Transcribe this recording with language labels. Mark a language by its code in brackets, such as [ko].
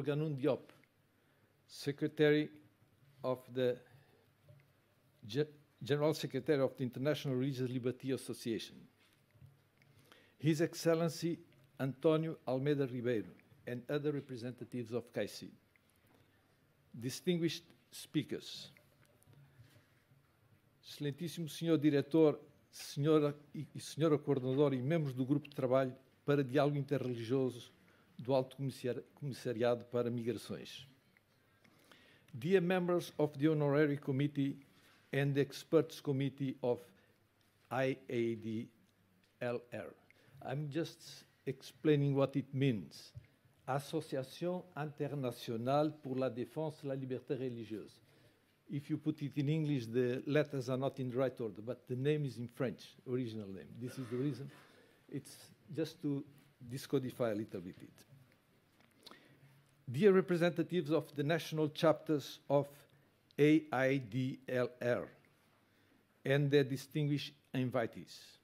[en] Ganoun Diop, Secretary of the General Secretary of the International Religious Liberty Association. His Excellency Antonio Almeida Ribeiro and other representatives of CAICI. Distinguished speakers, [pt] Excelentíssimo Senhor Diretor, Senhora e Senhora Coordenadora e membros do Grupo de Trabalho para Diálogo Interreligioso do Alto Comissariado para Migrações. [en] Dear members of the Honorary Committee and the Experts Committee of AIDLR. I'm just explaining what it means. Association Internationale pour la Défense de la Liberté Religieuse. If you put it in English, the letters are not in the right order, but the name is in French, original name. This is the reason. It's just to decodify a little bit it. Dear representatives of the national chapters of AIDLR and their distinguished invitees.